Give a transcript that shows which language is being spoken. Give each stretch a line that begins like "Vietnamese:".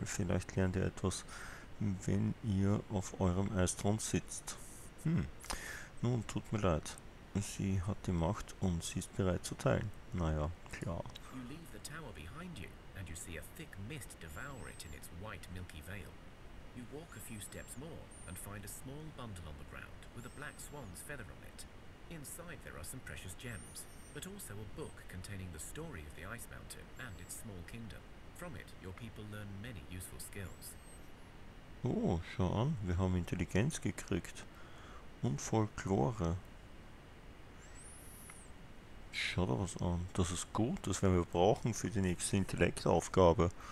German: Vielleicht lernt ihr etwas, wenn ihr auf eurem Eisthron sitzt. Nun, tut mir leid. Sie hat die Macht und sie ist bereit zu teilen. Naja, klar.
English: You leave the tower behind you and you see a thick mist devour it in its white milky veil. You walk a few steps more and find a small bundle on the ground with a black swan's feather on it. Inside there are some precious gems, but also a book containing the story of the Ice Mountain and its small kingdom. From it, your people learn many useful skills.
German: Oh, schau an, wir haben Intelligenz gekriegt und Folklore. Schau da was an. Das ist gut, das werden wir brauchen für die nächste Intellektaufgabe.